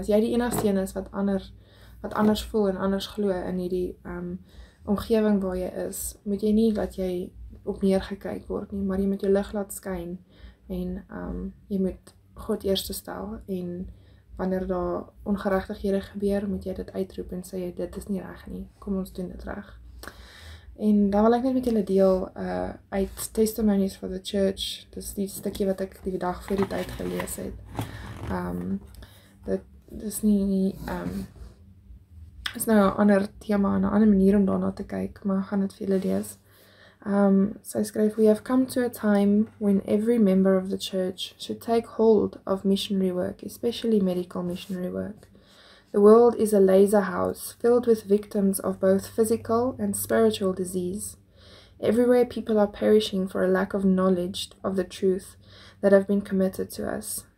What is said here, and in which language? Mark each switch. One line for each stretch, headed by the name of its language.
Afrikaans: As jy die enigste is wat anders voel en anders glo in die omgeving waar jy is, moet jy nie dat jy op neergekyk word nie, maar jy moet jou lig laat skyn en jy moet God eerste stel en wanneer daar ongeregtighede gebeur, moet jy dit uitroep en sê, dit is nie reg nie, kom ons doen dit reg. En dan wil ek net met julle deel uit Testimonies for the Church, dis die stukje wat ek die dag voor die tyd gelees het. Dit is nie, is nou een ander thema en een ander manier om daarna te kyk, maar gaan het vir julle lees. So I skryf,
English: we have come to a time when every member of the church should take hold of missionary work, especially medical missionary work. The world is a laser house filled with victims of both physical and spiritual disease. Everywhere people are perishing for a lack of knowledge of the truth that have been committed to us.